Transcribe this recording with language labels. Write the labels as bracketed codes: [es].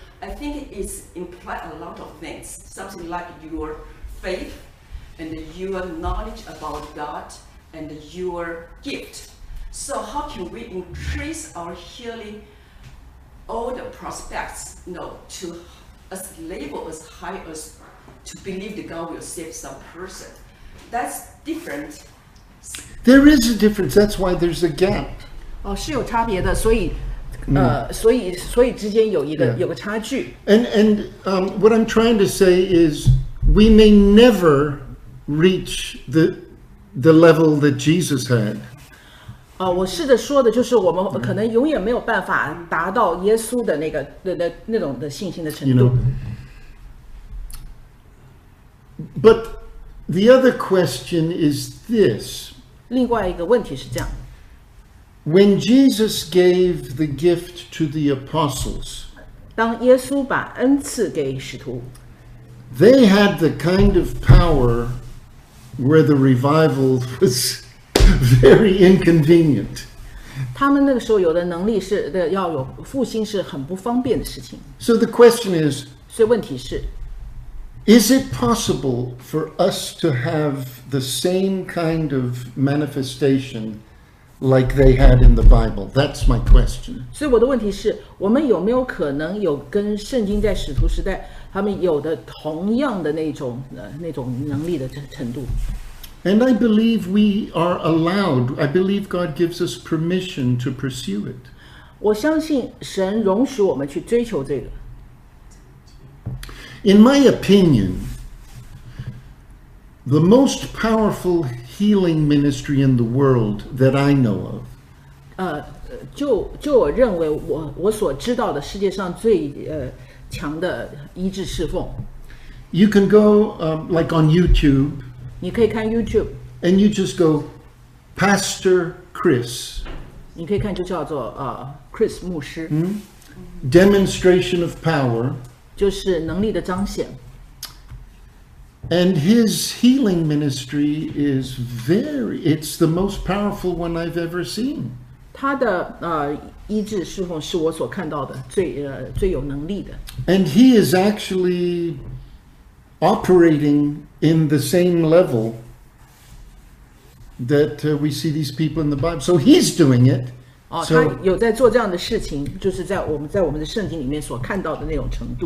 [en] I think it's implied a lot of things. Something like your faith and your knowledge about God and your gift. So how can we increase our healing, all the prospects, you know, to as level as high as to believe that God will save some person? That's different. There is a difference. That's why there's a gap. [zh] 哦，是有差别的，所以所以之间有一个有个差距。 [en] And what I'm trying to say is we may never reach the level that Jesus had. [zh] 哦，我试着说的就是我们可能永远没有办法达到耶稣的那个那种的信心的程度。 [en] You know, but the other question is this. [zh] 另外一个问题是这样。 [en] When Jesus gave the gift to the apostles, [zh] 当耶稣把恩赐给使徒， [en] they had the kind of power where the revival was very inconvenient. [zh] 他们那个时候有的能力是要有复兴是很不方便的事情。 [en] So the question is, [zh] 所以问题是， [en] is it possible for us to have the same kind of manifestation like they had in the Bible? That's my question. [zh] 所以我的问题是，我们有没有可能有跟圣经在使徒时代他们有的同样的那种能力的程度？ [en] And I believe we are allowed, I believe God gives us permission to pursue it. [zh] 我相信神容许我们去追求这个。 [en] In my opinion, the most powerful healing ministry in the world that I know of, [zh] 就我认为我所知道的世界上最强的医治侍奉。 [en] You can go like on YouTube. [zh] 你可以看 YouTube. [en] And you just go, Pastor Chris. [zh] 你可以看就叫做Chris 牧师。 [en] Demonstration of power. [zh] 就是能力的彰显。 [en] And his healing ministry is it's the most powerful one I've ever seen. [zh] 他的医治侍奉是我所看到的最有能力的。 [en] And he is actually operating in the same level that we see these people in the Bible. So he's doing it. [zh] 他有在做这样的事情，就是在我们的圣经里面所看到的那种程度。